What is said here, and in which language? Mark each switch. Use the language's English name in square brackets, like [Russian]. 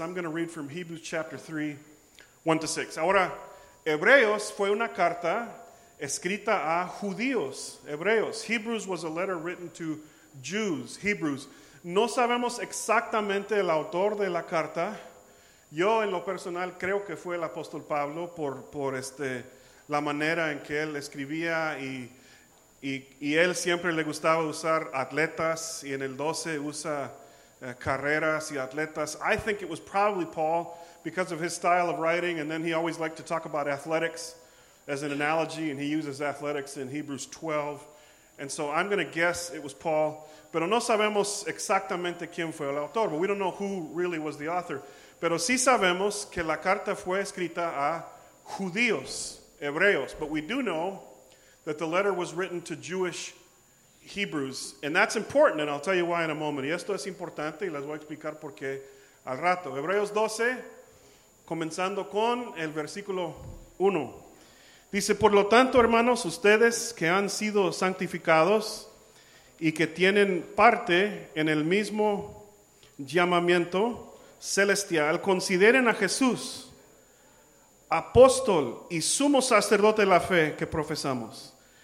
[English] I'm going to read from Hebrews chapter 3, 1 to 6. [Spanish] Ahora, Hebreos fue una carta escrita a judíos. Hebreos. [English] Hebrews was a letter written to Jews. Hebrews. [Spanish] No sabemos exactamente el autor de la carta. Yo, en lo personal, creo que fue el apóstol Pablo por la manera en que él escribía y él siempre le gustaba usar atletas y en el 12 usa carreras y atletas. [English] I think it was probably Paul because of his style of writing, and then he always liked to talk about athletics as an analogy, and he uses athletics in Hebrews 12. And so I'm going to guess it was Paul, [Spanish] pero no sabemos exactamente quién fue el autor, [English] but we don't know who really was the author. [Spanish] Pero sí sabemos que la carta fue escrita a judíos, hebreos. [English] But we do know that the letter was written to Jewish Hebrews. And that's important, and I'll tell you why in a moment. [Spanish] Y esto es importante, y les voy a explicar por qué al rato. Hebreos 12, comenzando con el versículo 1. Dice, por lo tanto, hermanos, ustedes que han sido santificados y que tienen parte en el mismo llamamiento celestial, consideren a Jesús, apóstol y sumo sacerdote de la fe que profesamos.